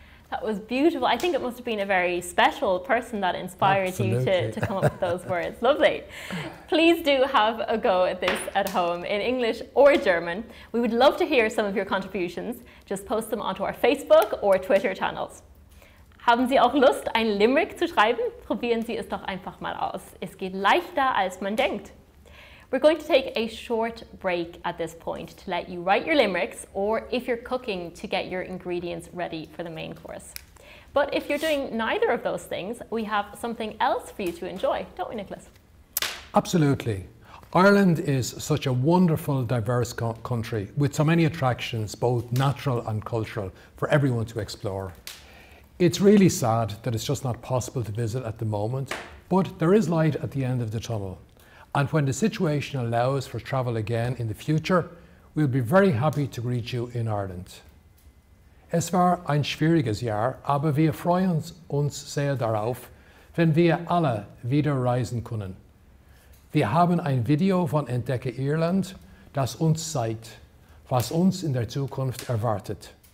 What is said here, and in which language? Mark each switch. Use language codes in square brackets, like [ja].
[en] That was beautiful. I think it must have been a very special person that inspired Absolutely. You to come up with those words. Lovely. Please do have a go at this at home in English or German. We would love to hear some of your contributions. Just post them onto our Facebook or Twitter channels. [de] Haben Sie auch Lust, ein Limerick zu schreiben? Probieren Sie es doch einfach mal aus. Es geht leichter, als man denkt. [en] We're going to take a short break at this point to let you write your limericks, or if you're cooking, to get your ingredients ready for the main course. But if you're doing neither of those things, we have something else for you to enjoy, don't we, Nicholas? Absolutely. Ireland is such a wonderful, diverse country with so many attractions, both natural and cultural, for everyone to explore. It's really sad that it's just not possible to visit at the moment, but there is light at the end of the tunnel. And when the situation allows for travel again in the future, we'll be very happy to greet you in Ireland. [de] Es war ein schwieriges Jahr, aber wir freuen uns sehr darauf, wenn wir alle wieder reisen können. Wir haben ein Video von Entdecke Irland, das uns zeigt, was uns in der Zukunft erwartet.